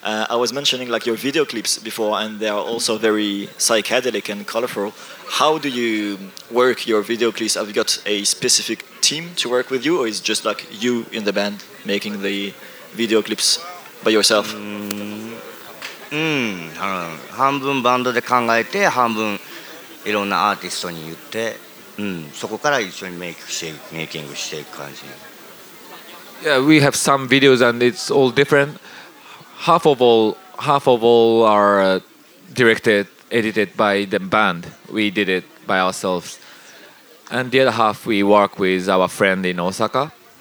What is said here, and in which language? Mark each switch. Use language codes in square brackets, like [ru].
[en] I was mentioning like your video clips before, and they are also very psychedelic and colorful. How do you work your video clips? Have you got a specific team to work with you, or is it just like you in the band making the video clips by yourself? Half band [ja] で考えて半分いろんなアーティストに言って、そこから一緒にメイキングしていく感じ。 [en] Yeah, we have some videos and it's all different. Half of all are directed, edited by the band. We did it by ourselves. And the other half we work with our friend in Osaka.